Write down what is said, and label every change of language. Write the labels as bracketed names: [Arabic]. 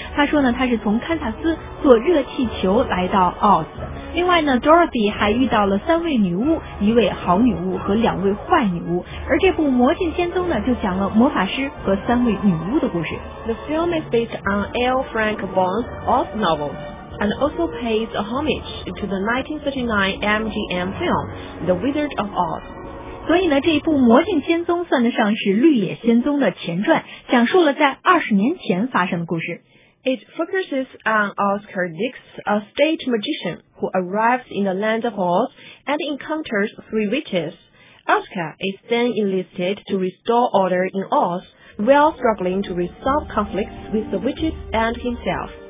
[Chinese] 他说呢，他是从堪萨斯坐热气球来到 Oz 的。另外呢 ，Dorothy 还遇到了三位女巫，一位好女巫和两位坏女巫。而这部《魔镜仙踪》呢，就讲了魔法师和三位女巫的故事。 [English] The film is based on L. Frank Baum's Oz novel. And also pays a homage to the 1939 MGM film, The Wizard of Oz. [Chinese] 所以呢，这一部《魔镜仙踪》算得上是《绿野仙踪》的前传，讲述了在20年前发生的故事。 [English] It focuses on Oscar Dix, a stage magician who arrives in the land of Oz and encounters three witches. Oscar is then enlisted to restore order in Oz, while struggling to resolve conflicts with the witches and himself.